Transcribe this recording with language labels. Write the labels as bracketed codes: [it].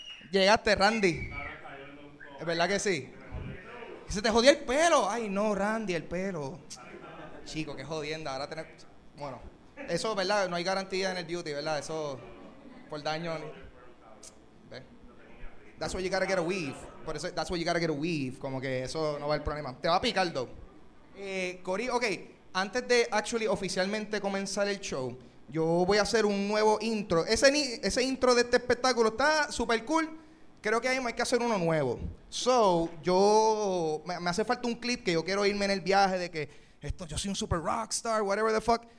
[es] Llegaste, Randy. ¿Es verdad que sí? Se te jodió el pelo. Ay, no, Randy, el pelo. Chico, qué jodienda. Ahora tener. Bueno, eso, ¿verdad? No hay garantía en el duty, ¿verdad? Eso, por daño. ¿Ves? [en] That's why you gotta get a weave. [es] Por eso, [en] that's why you gotta get a weave. [es] Como que eso no va el problema. Te va a picar, though. Cory, ok. Antes de actually oficialmente comenzar el show, yo voy a hacer un nuevo intro. Ese intro de este espectáculo está super cool. Creo que ahí hay que hacer uno nuevo. So, yo me hace falta un clip que yo quiero irme en el viaje de que esto, yo soy un super rockstar, [en] whatever the fuck.